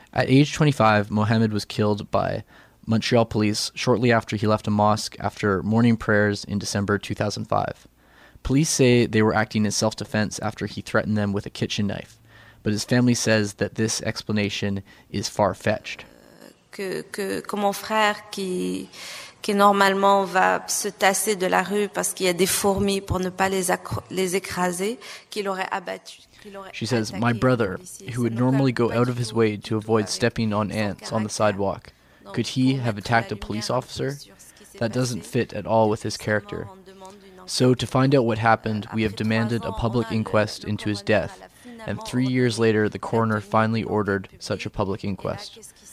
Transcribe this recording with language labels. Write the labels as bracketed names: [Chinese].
[English] At age 25, Mohamed was killed by Montreal police shortly after he left a mosque after morning prayers in December 2005. Police say they were acting in self-defense after he threatened them with a kitchen knife, but his family says that this explanation is far-fetched. [French] Que mon frère qui normalement va se tasser de la rue parce qu'il y a des fourmis pour ne pas les écraser, qu'il aurait abattu. [English] She says, my brother, who would normally go out of his way to avoid stepping on ants on the sidewalk, could he have attacked a police officer? That doesn't fit at all with his character. So to find out what happened, we have demanded a public inquest into his death, and 3 years later, the coroner finally ordered such a public inquest.